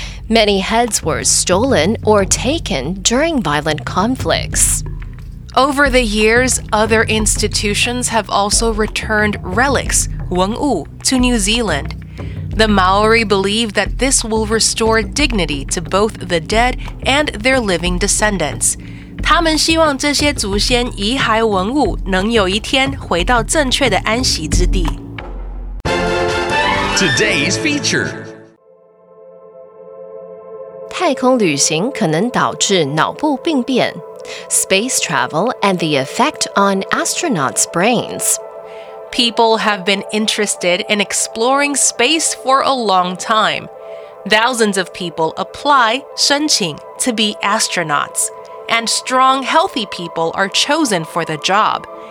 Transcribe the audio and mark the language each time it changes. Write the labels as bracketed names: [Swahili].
[English] Many heads were stolen or taken during violent conflicts. Over the years, other institutions have also returned relics, [Chinese] 文物, [English] to New Zealand. The Maori believe that this will restore dignity to both the dead and their living descendants. [Chinese] 他们希望这些祖先遗骸文物能有一天回到正确的安息之地。 [English] Today's feature. [Chinese] 太空旅行可能导致脑部病变。 [English] Space travel and the effect on astronauts' brains. People have been interested in exploring space for a long time. Thousands of people apply, [Chinese] 申请, [English] to be astronauts. And strong, healthy people are chosen for the job.